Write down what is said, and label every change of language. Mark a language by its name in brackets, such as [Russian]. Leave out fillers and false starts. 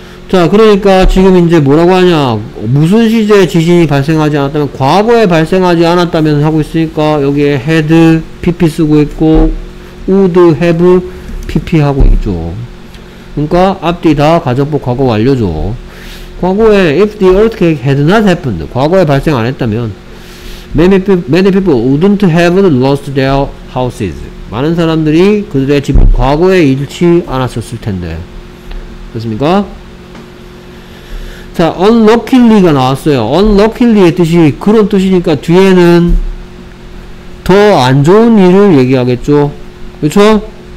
[Korean] 자, 그러니까 지금 이제 뭐라고 하냐. 무슨 시제에 지진이 발생하지 않았다면, 과거에 발생하지 않았다면 하고 있으니까 여기에 had, pp 쓰고 있고 would, have, pp 하고 있죠. 그러니까 앞뒤 다 가정법 과거 완료죠. 과거에 [English] if the earthquake had not happened, [Korean] 과거에 발생 안 했다면 [English] many people wouldn't have lost their houses. [Korean] 많은 사람들이 그들의 집을 과거에 잃지 않았었을 텐데. 그렇습니까? 자, unluckily가 나왔어요. unluckily의 뜻이 그런 뜻이니까 뒤에는 더 안 좋은 일을 얘기하겠죠. 그렇죠?